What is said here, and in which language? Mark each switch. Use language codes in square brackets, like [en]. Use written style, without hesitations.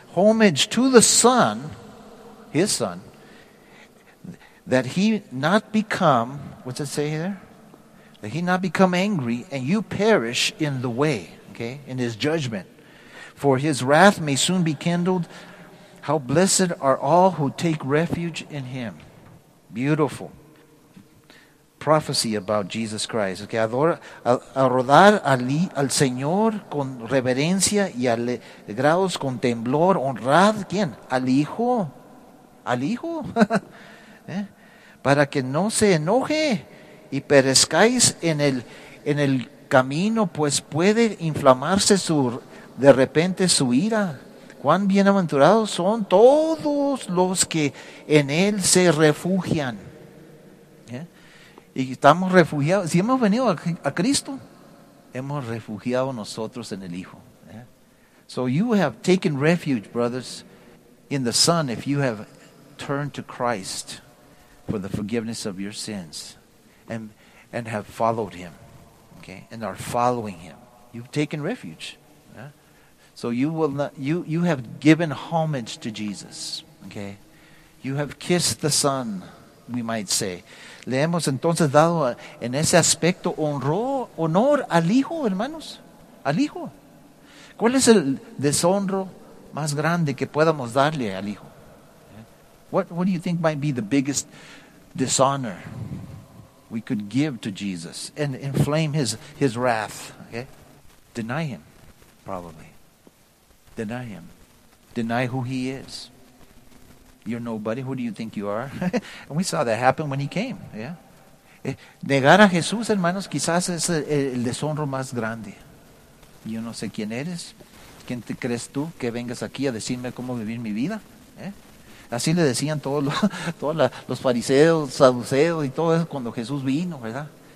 [en] Homage to the son, his son, that he not become, what's it say there? That he not become angry and you perish in the way, okay, in his judgment. For his wrath may soon be kindled. How blessed are all who take refuge in him. Beautiful. Prophecy about Jesus Christ. [es] Okay, adorar al Señor con reverencia y alegrados con temblor. Honrad, ¿quién? Al Hijo. Al Hijo. ¿Eh? Para que no se enoje y perezcáis en el camino, pues puede inflamarse de repente su ira. Cuán bienaventurados son todos los que en él se refugian. ¿Eh? Y estamos refugiados. Si hemos venido a Cristo, hemos refugiado nosotros en el Hijo. ¿Eh? [en] So you have taken refuge, brothers, in the Son if you have turned to Christ for the forgiveness of your sins and have followed him, okay, and are following him. You've taken refuge. Yeah? So you will not, you have given homage to Jesus, okay? You have kissed the Son, we might say. Le hemos entonces dado en ese aspecto honor al Hijo, hermanos, al Hijo. ¿Cuál es el deshonro más grande que podamos darle al Hijo? What do you think might be the biggest dishonor we could give to Jesus and inflame his wrath? Okay? Deny him, probably. Deny him. Deny who he is. You're nobody. Who do you think you are? And we saw that happen when he came. Yeah. [es] Negar a Jesús, hermanos, quizás es el deshonro más grande. Yo no sé quién eres. ¿Quién te crees tú que vengas aquí a decirme cómo vivir mi vida? ¿Eh? Así le decían todos los fariseos, saduceos y todo eso cuando Jesús vino, ¿verdad?